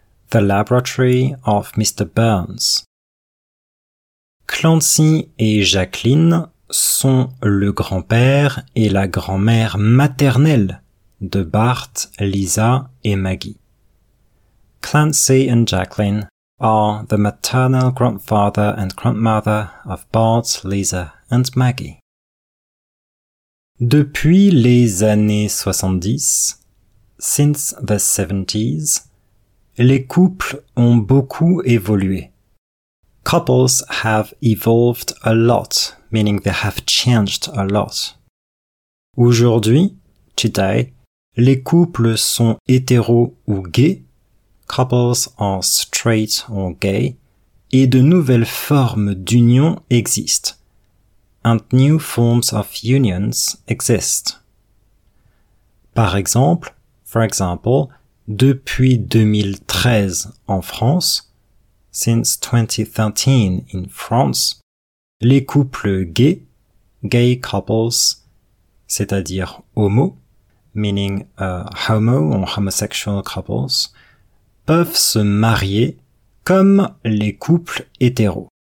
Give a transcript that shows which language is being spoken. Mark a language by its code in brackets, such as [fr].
[en] The laboratory of Mr. Burns. [fr] Clancy et Jacqueline sont le grand-père et la grand-mère maternelle de Bart, Lisa et Maggie. [en] Clancy and Jacqueline are the maternal grandfather and grandmother of Bart, Lisa and Maggie. [fr] Depuis les années 70, [en] since the 70s, [fr] les couples ont beaucoup évolué. [en] Couples have evolved a lot, meaning they have changed a lot. [fr] Aujourd'hui, [en] today, [fr] les couples sont hétéro ou gays. [en] Couples are straight or gay. [fr] Et de nouvelles formes d'union existent. [en] And new forms of unions exist. For example, [fr] depuis 2013 en France, [en] since 2013 in France, [fr] les couples gays, [en] gay couples, [fr] c'est-à-dire homo, [en] meaning a homo or homosexual couples, [fr] peuvent se marier comme les couples hétéros.